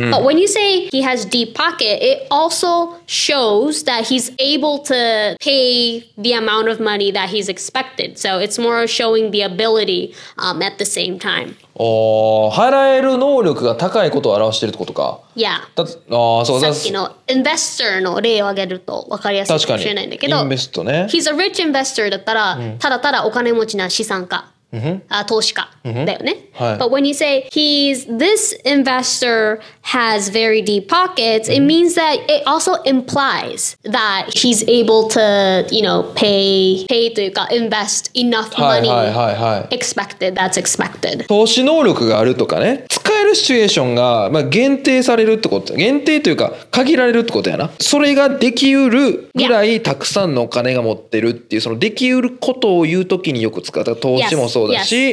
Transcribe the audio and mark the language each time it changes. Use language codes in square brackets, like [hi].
[en] But when you say he has deep pocket It also shows that he's able to pay the amount of money that he's expected So it's moreshowing the ability at the same time. [ja] お、払える能力が高いことを表しているってことか。いや、さっきのインベスターの例を挙げると分かりやすいかもしれないんだけど、インベストね。 [en] He's a rich investor [ja] だったら、うん、ただただお金持ちな資産家、うん、投資家だよね、うん、はい。 [en] But when you say he's this investor has very deep pockets、うん、it means that it also implies that he's able to, you know, pay というか invest enough money、 [ja] はいはいはいはい、 [en] expected, that's expected. [ja] 投資能力があるとかね、使えるシチュエーションが、まあ、限定されるってこと、限定というか限られるってことやな。それができうるぐらいたくさんのお金が持ってるっていう、そのできうることを言うときによく使う。だから投資もそうだし、